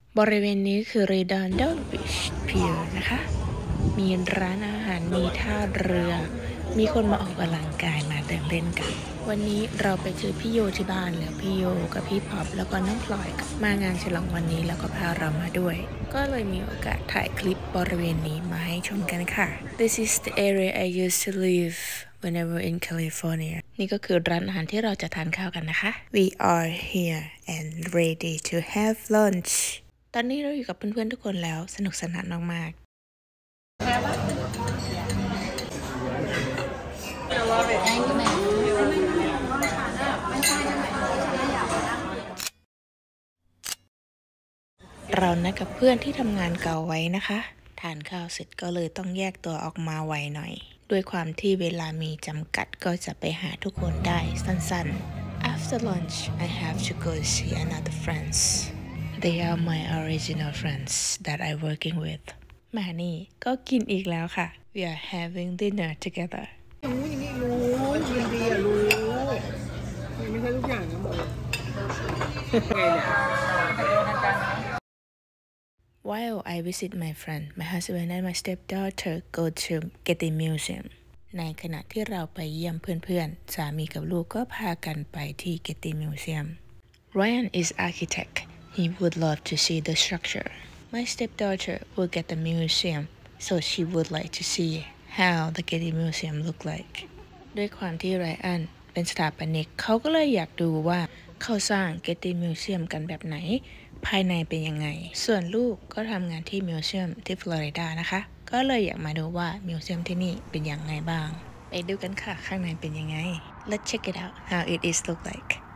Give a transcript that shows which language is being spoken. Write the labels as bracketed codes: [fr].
[th] บริเวณนี้คือ Redondo Beach Pier นะคะมีร้านอาหารมีท่าเรือมีคนมาออกกำลังกายมาเดินเล่นกันวันนี้เราไปเจอพี่โยที่บ้านแล้วพี่โยกับพี่ป๊อปแล้วก็น้องพลอยมางานฉลองวันนี้แล้วก็พาเรามาด้วยก็เลยมีโอกาสถ่ายคลิปบริเวณนี้มาให้ชมกันค่ะ [en] This is the area I used to live whenever in California [th] นี่ก็คือร้านอาหารที่เราจะทานข้าวกันนะคะ [en] We are here and ready to have lunch [th] ตอนนี้เราอยู่กับเพื่อนๆทุกคนแล้วสนุกสนานมากเรานัดกับเพื่อนที่ทำงานเก่าไว้นะคะ ทานข้าวเสร็จก็เลยต้องแยกตัวออกมาไวหน่อยด้วยความที่เวลามีจำกัดก็จะไปหาทุกคนได้สั้นๆ [en] After lunch I have to go see another friendsThey are my original friends that I'm working with. [th] มานี่ก็กินอีกแล้วค่ะ [en] We are having dinner together. [th] รู้อย่างนี้รู้ยินดีอะรู้ไม่ใช่ทุกอย่างนะหมดไงเนี่ย [en] While I visit my friend, my husband and my stepdaughter go to Getty Museum. [th] ในขณะที่เราไปเยี่ยมเพื่อนๆสามีกับลูกก็พากันไปที่ Getty Museum. [en] Ryan is architect. He would love to see the structure. My stepdaughter will get the museum, so she would like to see how the Getty Museum look like. [th] ด้วยความที่ไรอันเป็นสถาปนิกเขาก็เลยอยากดูว่าเขาสร้าง Getty Museum กันแบบไหนภายในเป็นยังไงส่วนลูกก็ทำงานที่มิวเซียมที่ฟลอริดานะคะก็เลยอยากมาดูว่ามิวเซียมที่นี่เป็นยังไงบ้างไปดูกันค่ะข้างในเป็นยังไง [en] Let's check it out how it is look like.